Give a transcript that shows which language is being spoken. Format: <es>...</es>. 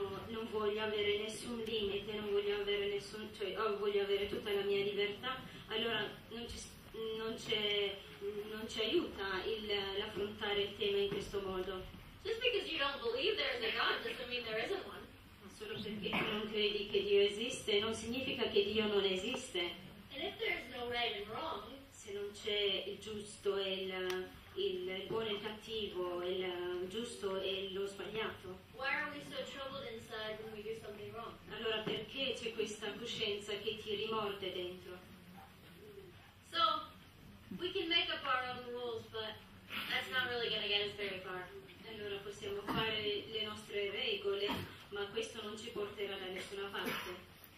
<it>Non voglio avere nessun limite, non voglio avere nessun, cioè voglio avere tutta la mia libertà, allora non ci aiuta l'affrontare il tema in questo modo.</it> <en>Just because you don't believe there is a God doesn't mean there isn't one.</en> <it>Ma solo perché tu non credi che Dio esiste, non significa che Dio non esiste.</it> <en>And if there is no right and wrong,</en> <it>se non c'è il giusto e il buono e il cattivo, il giusto e lo sbagliato.</it> <en>Why are we so troubled inside when we do something wrong?</en> <it>Allora perché c'è questa coscienza che ti rimorde dentro?</it> <en>So we can make up our own rules, but that's not really gonna get us very far.</en> <it>Allora possiamo fare le nostre regole, ma questo non ci porterà da nessuna parte.</it>